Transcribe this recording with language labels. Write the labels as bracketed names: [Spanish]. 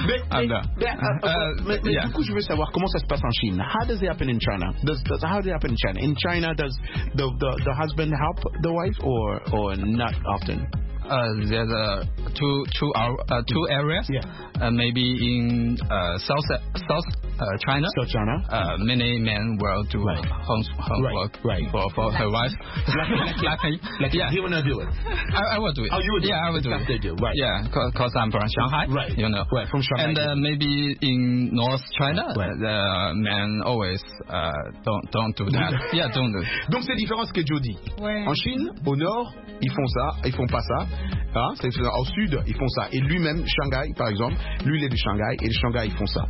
[French] Mais du coup, je veux savoir comment ça se passe en Chine. [English] How does it happen in China? How does it happen in China? In China, does the husband help the wife or not often? There's two areas. Yeah. Maybe in South China. South China. Many men will do homework for her wife. Like yeah. You wanna do it? I will do it. Oh, you would. Yeah, I will do it. They do. Right. Yeah, because I'm from Shanghai. Right. You know. Right. From Shanghai. And maybe in North China, the men always don't do that. Yeah, don't do. It. [French] Donc c'est différent ce que Joe dit. Ouais. En Chine, au nord, ils font ça, ils font pas ça. Hein, c'est au sud, ils font ça. Et lui-même, Shanghai, par exemple, lui, il est de Shanghai, et de Shanghai, ils font ça.